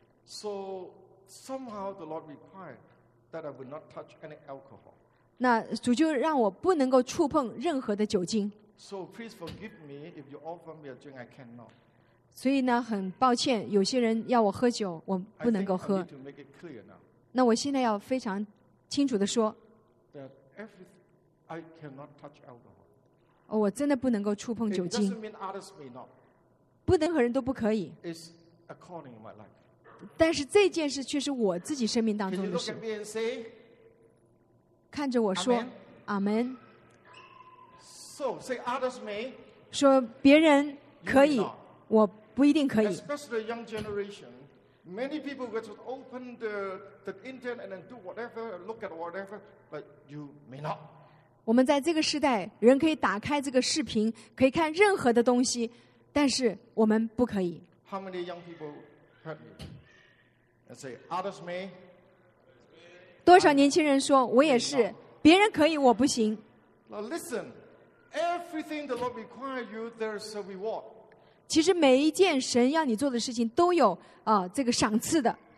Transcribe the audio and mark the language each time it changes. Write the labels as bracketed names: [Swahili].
[English] So somehow the Lord required that I would not touch any alcohol. [Chinese] 那主就让我不能够触碰任何的酒精。 [English] So please forgive me if you offer me a drink I cannot. [Chinese] 所以呢很抱歉有些人要我喝酒我不能够喝。 [English] I think I need to make it clear now. [Chinese] 那我现在要非常清楚地说。 [English] That everything. I cannot touch alcohol. [Chinese] Oh, 我真的不能够触碰酒精。 [English] It doesn't mean others may not. [Chinese] 不能和人都不可以。 [English] It's according to my life. [Chinese] 但是这件事却是我自己生命当中的事。 [English] Can you look at me and say? [Chinese] 看着我说，阿门。 [English] So say others may. [Chinese] 说别人可以，我不一定可以。 [English] Especially the young generation, many people will just open the internet and then do whatever, look at whatever, but you may not. [Chinese] 我们在这个时代，人可以打开这个视频，可以看任何的东西，但是我们不可以。 [English] How many young people heard me? I say others may. [Chinese] 多少年轻人说我也是，别人可以，我不行。 [English] Now listen, everything the Lord requires you, there is a reward. [Chinese] 其实每一件神要你做的事情都有这个赏赐的。